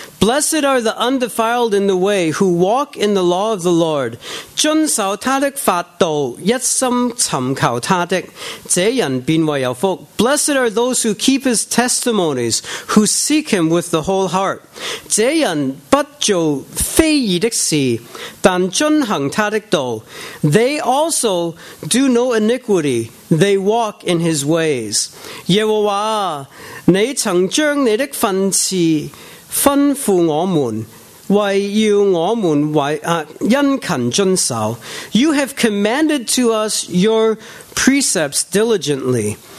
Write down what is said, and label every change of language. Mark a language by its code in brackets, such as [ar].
[en] Blessed are the undefiled in the way who walk in the law of the Lord. [zh] 遵守他的法度,一心寻求他的,这人便为有福. [en] Blessed are those who keep his testimonies, who seek him with the whole heart. [zh] 这人不做非义的事,但遵行他的道. [en] They also do no iniquity, they walk in his ways. [zh] 耶和华,你曾将你的训词 吩咐我们,为要我们殷勤遵守. [en] You have commanded to us your precepts diligently.